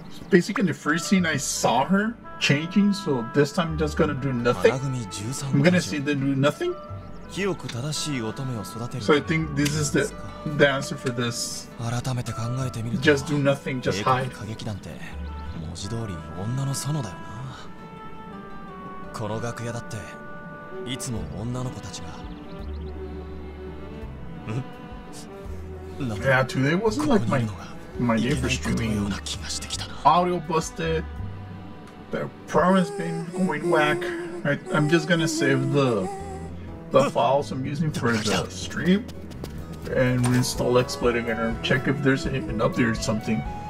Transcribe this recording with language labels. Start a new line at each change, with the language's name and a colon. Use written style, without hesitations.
English: Basically, in the first scene, I saw her changing, so this time I'm just gonna do nothing. I'm gonna see them do nothing. So I think this is the answer for this. Just do nothing, just hide.
Japanese: 文字通り女の園だよな。この楽屋だっていつも女の子たちが。ん？いや、
English: today wasn't like my day for streaming
Japanese: ような気がしてきたな。
English: Audio busted. The program's been going whack. I'm just gonna save the files I'm using for the stream and reinstall XSplit again and check if there's an update or something.